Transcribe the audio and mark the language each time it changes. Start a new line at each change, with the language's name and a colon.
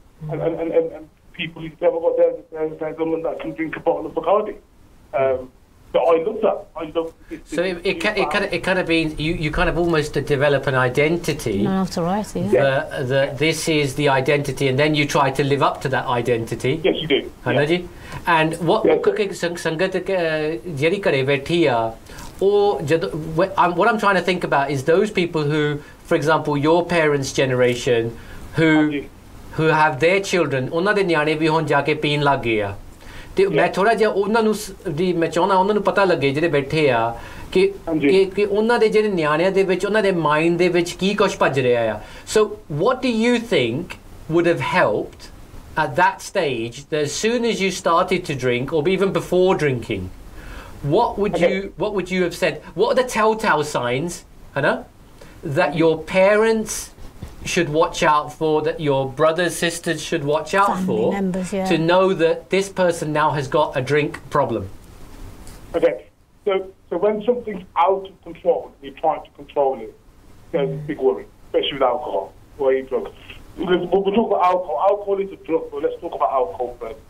English: And people who've never got there, there's someone that can drink a bottle of Bacardi. But I love that. I love. So it kind of been you kind of almost develop an identity. Notoriety. Yeah. This is the identity, and then you try to live up to that identity. Yes, you do. Yeah.
Punjabi: Haan ji?
English: And what
Punjabi: Sangat jehdi kare baithi aa,
English: what I'm trying to think about is those people who, for example, your parents' generation, who have their children,
Punjabi: ਉਹਨਾਂ ਦੇ ਨਿਆਣੇ ਵੀ ਹੁਣ ਜਾ ਕੇ ਪੀਣ ਲੱਗ ਗਏ ਆ ਤੇ ਮੈਂ ਥੋੜਾ ਜਿਹਾ ਉਹਨਾਂ ਨੂੰ ਦੀ ਮੈਂ ਚਾਹੁੰਦਾ ਉਹਨਾਂ ਨੂੰ ਪਤਾ ਲੱਗੇ ਜਿਹੜੇ ਬੈਠੇ ਆ ਕਿ ਉਹਨਾਂ ਦੇ ਜਿਹੜੇ ਨਿਆਣਿਆਂ ਦੇ ਵਿੱਚ ਉਹਨਾਂ ਦੇ ਮਾਈਂਡ ਦੇ ਵਿੱਚ ਕੀ ਕੁਛ ਭੱਜ ਰਿਹਾ ਆ
English: So what do you think would have helped at that stage that as soon as you started to drink or even before drinking what would you have said, what are the telltale signs, Hana, that your parents should watch out for, that your brothers, sisters should watch out family for members, yeah. To know that this person now has got a drink problem? Okay, so when something's out of control and you're trying to control it, there's a big worry, especially with alcohol or any drugs. Because when we talk about alcohol is a drug, but let's talk about alcohol first.